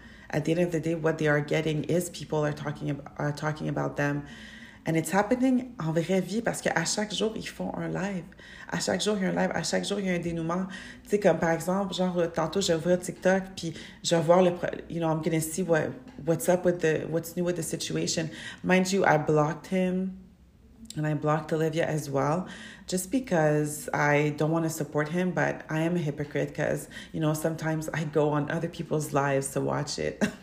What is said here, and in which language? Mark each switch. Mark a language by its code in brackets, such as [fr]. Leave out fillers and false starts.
[en] At the end of the day, what they are getting is people are talking about them. And it's happening [fr] en vraie vie parce qu'à chaque jour, ils font un live. À chaque jour, il y a un live. À chaque jour, il y a un dénouement. Tu sais, comme par exemple, genre, tantôt, je vais ouvrir TikTok, puis je vais voir le... [en] You know, I'm going to see what's new with the situation. Mind you, I blocked him, and I blocked Olivia as well, just because I don't want to support him, but I am a hypocrite because, you know, sometimes I go on other people's lives to watch it.